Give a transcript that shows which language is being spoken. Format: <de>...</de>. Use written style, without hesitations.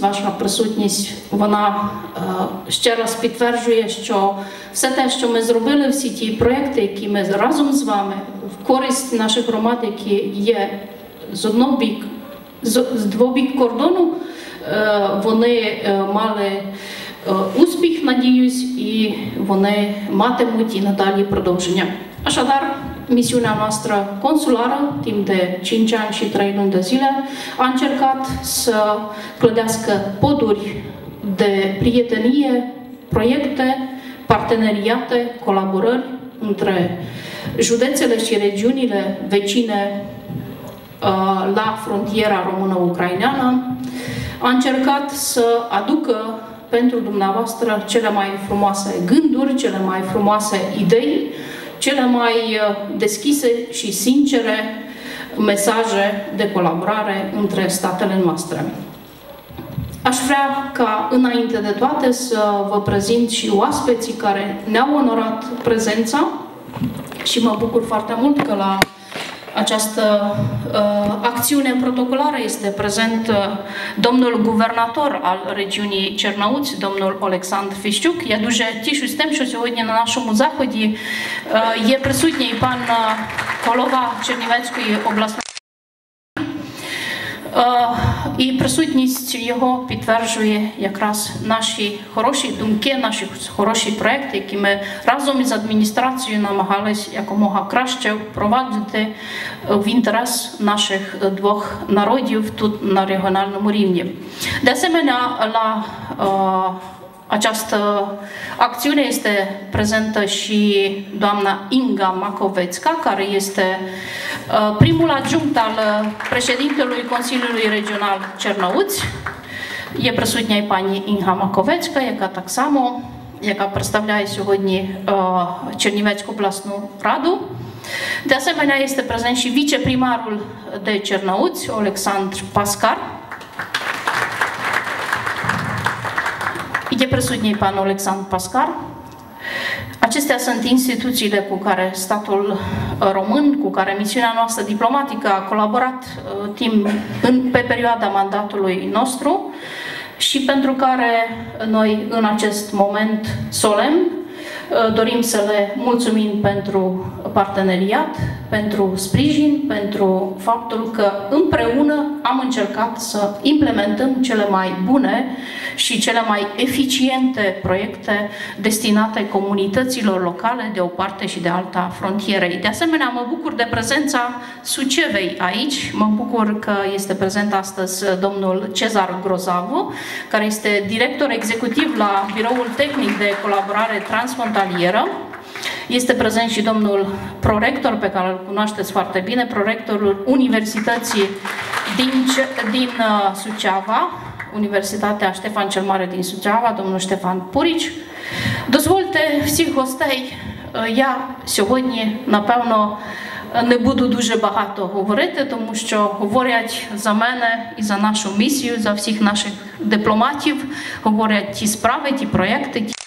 <uk>Ваша присутність, вона ще раз підтверджує, що все те, що ми зробили, всі ті проєкти, які ми разом з вами, в користь наших громад, які є з одного боку, з двох боків кордону, вони мали успіх, надіюсь, і вони матимуть і надалі продовження.</uk> <ro>Așadar, misiunea noastră consulară, timp de 5 ani și 3 luni de zile, a încercat să clădească poduri de prietenie, proiecte, parteneriate, colaborări între județele și regiunile vecine la frontiera română-ucraineană, a încercat să aducă pentru dumneavoastră cele mai frumoase gânduri, cele mai frumoase idei, cele mai deschise și sincere mesaje de colaborare între statele noastre. Aș vrea ca înainte de toate să vă prezint și oaspeții care ne-au onorat prezența și mă bucur foarte mult că la această acțiune protocolară este prezent domnul guvernator al regiunii Cernăuți, domnul Oleksandr Fiščuk.</ro> <uk>Я дуже тішусь тим, що сьогодні на нашому заході є присутній пан голова Чернівецької обласної і присутність його підтверджує якраз наші хороші думки, наші хороші проекти, які ми разом із адміністрацією намагались якомога краще впровадити в інтерес наших двох народів тут на регіональному рівні.</uk> <ro>De asemenea, la această acțiune este prezentă și doamna Inga Makovețka, care este primul adjunct al președintelui Consiliului Regional Cernăuți. E prezentă și</ro> <uk>pani Inga Makovețka, яка так само, яка представляє сьогодні Чернівецьку обласну раду.</uk> <ro>De asemenea, este prezent și viceprimarul de Cernăuți, Oleksandr Paskar.</ro> <uk>Є присутній пан Олександр Паскар.</uk> <ro>Acestea sunt instituțiile cu care statul român, cu care misiunea noastră diplomatică a colaborat pe perioada mandatului nostru și pentru care noi în acest moment solemn dorim să le mulțumim pentru parteneriat, pentru sprijin, pentru faptul că împreună am încercat să implementăm cele mai bune și cele mai eficiente proiecte destinate comunităților locale de o parte și de alta frontierei. De asemenea, mă bucur de prezența Sucevei aici, mă bucur că este prezent astăzi domnul Cezar Grozavu, care este director executiv la Biroul Tehnic de Colaborare Transfrontalieră. Este prezent și domnul prorector, pe care îl cunoașteți foarte bine, prorectorul Universității din Suceava, Universitatea Ștefan cel Mare din Suceava, domnul Ștefan Purici.</ro> <uk>Дозвольте всіх гостей, я сьогодні, напевно, не буду дуже багато говорити, тому що говорять за мене і за нашу місію, за всіх наших дипломатів, говорять ті справи, ті проєкти,</uk>